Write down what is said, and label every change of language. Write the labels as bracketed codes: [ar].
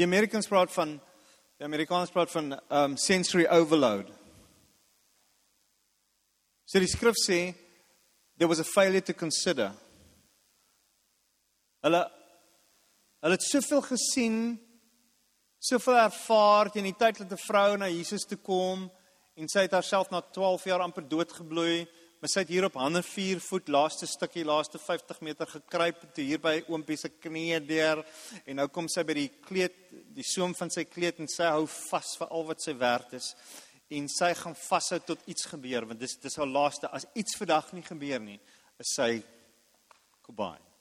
[af] Die Amerikaans praat van sensory overload. So die skrif sê, [en] there was a failure to consider. [af] Hulle het soveel gesien, soveel ervaar, in die tyd dat die vrou na Jesus toe kom, en sy het haarself na 12 jaar amper doodgebloei, maar sy het hier op hande 4 voet, laaste stukkie, laaste 50 meter gekruip, toe hier by oompie sy knie deur, en nou kom sy by die kleed, die soom van sy kleed, en sy hou vast vir al wat sy werd is, en sy gaan vasthou tot iets gebeur, want dis haar laaste, as iets vandag nie gebeur nie, is sy kobaai.